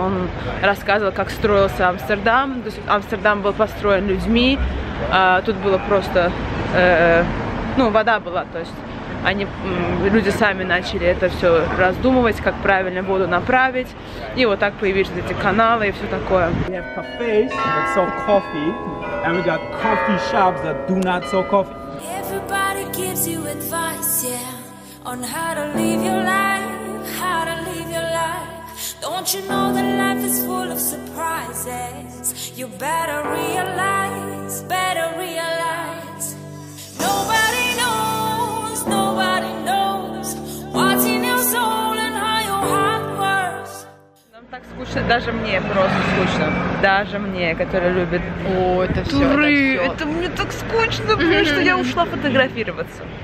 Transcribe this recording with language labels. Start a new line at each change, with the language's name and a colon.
Russian: Он рассказывал, как строился Амстердам. То есть Амстердам был построен людьми. Тут было просто... вода была, то есть они, люди сами начали это все раздумывать, как правильно воду направить. И вот так появились эти каналы и все такое.
English: We have cafes that sell coffee, and we got coffee shops that do not sell coffee. Everybody gives you advice, yeah, on how to live your life, how to live your life. Don't you know that life is full of surprises? You better realize, better realize. Nobody knows, nobody knows what's in your soul and how your heart works.
Russian: Нам так скучно, даже мне просто скучно. Даже мне, которая любит туры. Это мне так скучно, потому что я ушла фотографироваться.